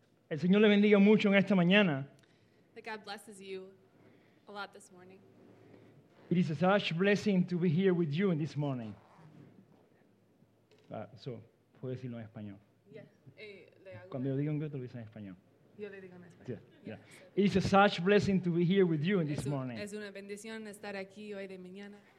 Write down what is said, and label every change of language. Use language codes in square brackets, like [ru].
[es] El Señor le bendiga mucho en esta mañana. [en] That God blesses you a lot this morning. It is a such blessing to be here with you in this morning. [es] So, puedo decirlo en español. [en] Yeah. [es] Cuando yo digo en inglés, lo dice en español. Yo le digo en español. [en] Yeah. It is a such blessing to be here with you in this morning. [es] Es una bendición estar aquí hoy de mañana.